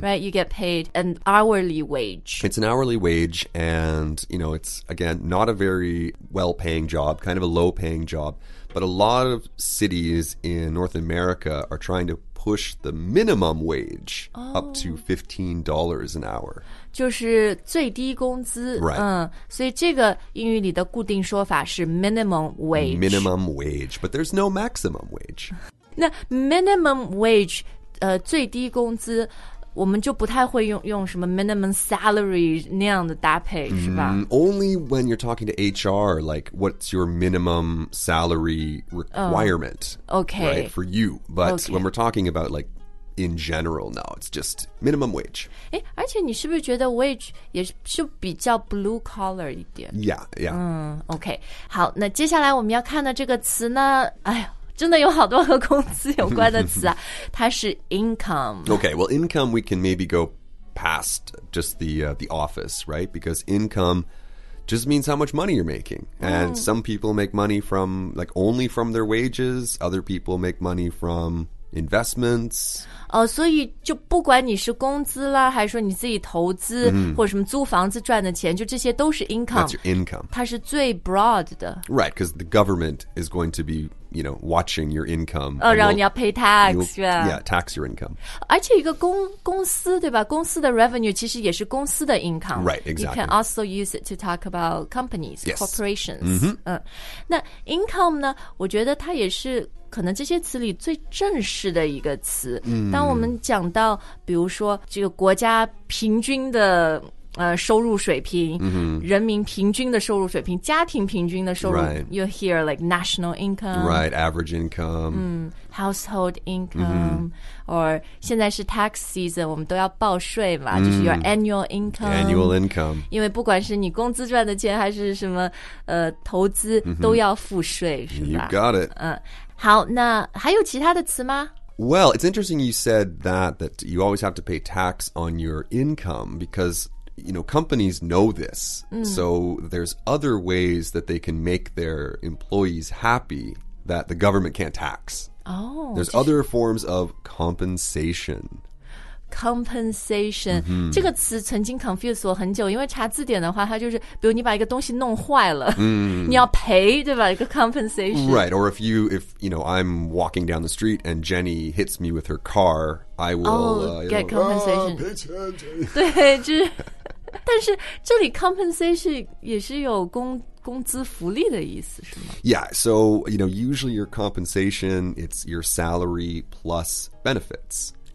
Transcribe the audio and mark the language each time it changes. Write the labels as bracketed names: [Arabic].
[English] right, you get paid an hourly wage. It's an hourly wage and, you know, it's, again, not a very well-paying job, kind of a low-paying job. But a lot of cities in North America are trying to push the minimum wage、oh. up to $15 an hour. [Chinese] 就是最低工资、 [English] right. [Chinese] 嗯、所以这个英语里的固定说法是 minimum wage. [English] Minimum wage, but there's no maximum wage. [Chinese] 那 minimum wage,、最低工资我们就不太会 用什么 minimum salary 那样的搭配、mm-hmm. 是吧 [English] Only when you're talking to HR, like what's your minimum salary requirement、 okay. right, for you. But、okay. when we're talking about likeIn general, no, it's just minimum wage. [Chinese] 诶，而且你是不是觉得 wage 也是比较 blue collar 一点？ [English] Yeah, yeah. [Chinese] 嗯 ，OK， 好，那接下来我们要看的这个词呢，哎呦，真的有好多和工资有关的词啊，它是 income. [English] Okay, well, income we can maybe go past just the office, right? Because income just means how much money you're making, and、mm. some people make money from like only from their wages. Other people make money from investments. Oh, so you, [Chinese] 就不管你是工资啦，还是说你自己投资、mm-hmm. 或者什么租房子赚的钱，就这些都是 income. [English] That's your income. [Chinese] 它是最 broad 的。 [English] Right, because the government is going to be, you know, watching your income. [Chinese] Oh, 然后你要 pay tax, yeah. [English] Yeah, tax your income. [Chinese] 而且一个公司对吧？公司的 revenue 其实也是公司的 income. [English] Right, exactly. You can also use it to talk about companies,、 yes. corporations. Mm-hmm. [Chinese] 嗯，那 income 呢？我觉得它也是。可能这些词里最正式的一个词、嗯、当我们讲到比如说这个国家平均的、收入水平、嗯、人民平均的收入水平家庭平均的收入、 [English] right. You hear like national income Right, average income、嗯、Household income、嗯、 [Chinese] Or 现在是 tax season 我们都要报税嘛、嗯、就是 [English] your annual income Annual income [Chinese] 因为不管是你工资赚的钱还是什么、投资都要付税、嗯、是吧 [English] You got it、 [Chinese] 好，那还有其他的词吗？ [English] Well, it's interesting you said that you always have to pay tax on your income because, you know, companies know this.、嗯、 so there's other ways that they can make their employees happy that the government can't tax. Oh. There's other forms of compensation. Compensation.、 Mm-hmm. [Chinese] 这个词曾经 confuse 我很久，因为查字典的话，它就是比如你把一个东西弄坏了、 mm-hmm. 你要赔对吧一个 compensation. [English] Right, or if you know, I'm walking down the street and Jenny hits me with her car, I will、 get compensation. Oh, pay attention. [Chinese] 对，就是但是这里 compensation 也是有工资福利的意思是吗 [English] Yeah, so, you know, usually your compensation, it's your salary plus benefits.